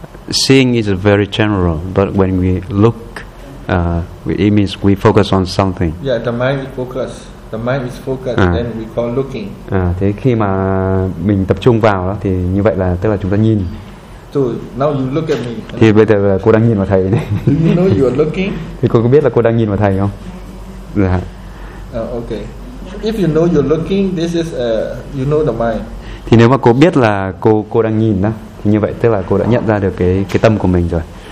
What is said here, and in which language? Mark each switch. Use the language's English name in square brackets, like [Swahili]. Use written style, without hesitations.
[English] seeing is very general, but when we look, it means we focus on something. Yeah, the mind is focused, then we call looking. [Vietnamese] À, thế khi mà mình tập trung vào đó thì như vậy là tức là chúng ta nhìn. [English] So now you look at me. [Vietnamese] Thì bây giờ cô đang nhìn vào thầy này. [English] You know you are looking. [Vietnamese] Thì cô có biết là cô đang nhìn vào thầy không? Dạ. [English] Okay. If you know you're looking, this is you know the mind. [Vietnamese] Thì nếu mà cô biết là cô đang nhìn đó, thì như vậy tức là cô đã nhận ra được cái tâm của mình rồi.